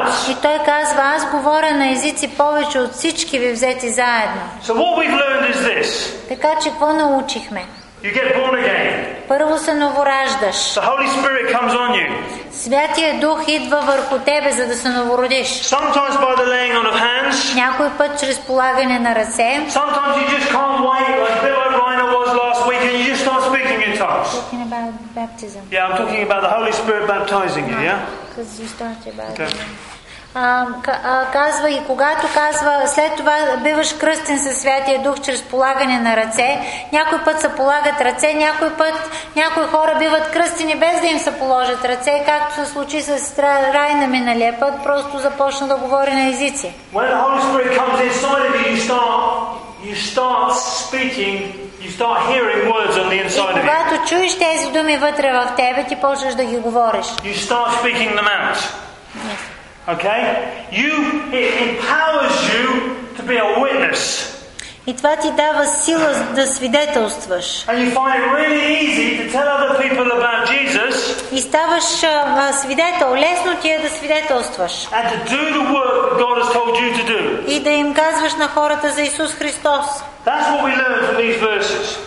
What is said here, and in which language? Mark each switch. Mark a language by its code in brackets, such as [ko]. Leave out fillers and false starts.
[bg] И той казва, аз говоря на езици повече от всички ви взети заедно. [en] So what we've learned is this. [bg] Така че какво научихме? [en] You get born again. [bg] Първо се новораждаш. [en] The Holy Spirit comes on you. [bg] Святия Дух идва върху тебе, за да се новородиш. [en] Sometimes by the laying on of hands. [bg] Някой път чрез полагане на ръце. [en] Sometimes you just can't wait like Bill O'Reiner was last week and you just start speaking in tongues. Talking about baptism. Yeah, I'm talking about the Holy Spirit baptizing you, yeah? Because you started about okay. [bg] Казва и когато казва след това биваш кръстен със Святия Дух чрез полагане на ръце, някой път се полагат ръце, някой път някои хора биват кръстени без да им се положат ръце, както се случи с сестра Райна миналия път, просто започна да говори на езици. [en] When the Holy Spirit comes inside of you, you start speaking. You start hearing words on the inside of you. [bg] И когато чуеш тези думи вътре в тебе, ти почваш да ги говориш. [en] You start speaking them out. Okay? It empowers you to be a witness. [bg] И това ти дава сила да свидетелстваш. [en] And you find it really easy to tell other people about Jesus. [bg] И ставаш свидетел, лесно ти е да свидетелстваш. [en] And to do the work God has told you to do. [bg] И да им казваш на хората за Исус Христос. [en] That's what we learned from these verses.